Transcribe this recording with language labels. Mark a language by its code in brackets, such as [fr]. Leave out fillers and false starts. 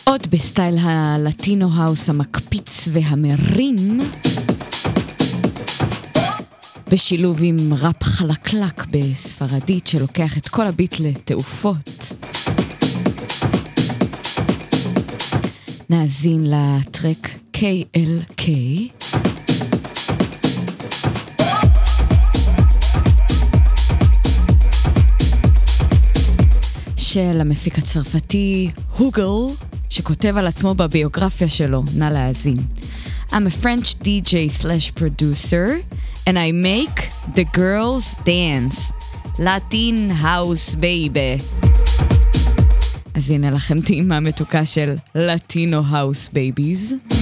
[he] בסטייל הלטינו האוס המקפיץ והמרים בשילוב עם ראפ חלקלק בספרדית שלוקח את כל הביט לתעופות, נאזין לטרק KLK ש של המפיק הצרפתי הוגל, שכותב על עצמו בביוגרפיה שלו, נא להאזין. [en] I'm a French DJ / producer and I make the girls dance. Latin house baby. [he] אז הנה לכם טעימה מתוקה של Latino house babies.